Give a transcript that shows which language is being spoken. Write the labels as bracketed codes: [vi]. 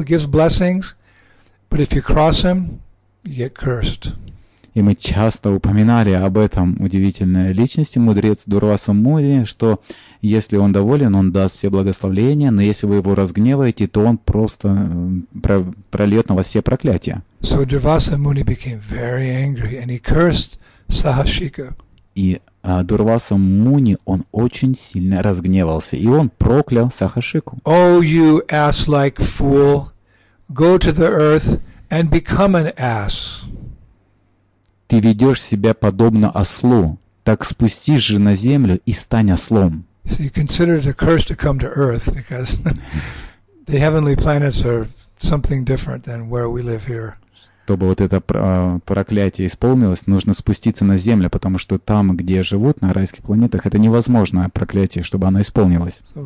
[en] He gives blessings, but if you cross him, you get cursed. [ru] И мы часто упоминали об этом удивительной личности, мудрец Дурваса Муни, что если он доволен, он даст все благословения, но если вы его разгневаете, то он просто прольет на вас все проклятия. [en] So Durvasa Muni became very angry, and he cursed Sahashika. [ru] И Дурваса Муни, он очень сильно разгневался, и он проклял Сахашику. [en] Oh, you ass-like fool, go to the earth and become an ass. [ru] Ты ведешь себя подобно ослу, так спустись же на землю и стань ослом. [en] So you consider it a curse to come to earth, because the heavenly planets are something different than where we live here. [ru] Чтобы вот это проклятие исполнилось, нужно спуститься на землю, потому что там, где живут, на райских планетах, это невозможное проклятие, чтобы оно исполнилось.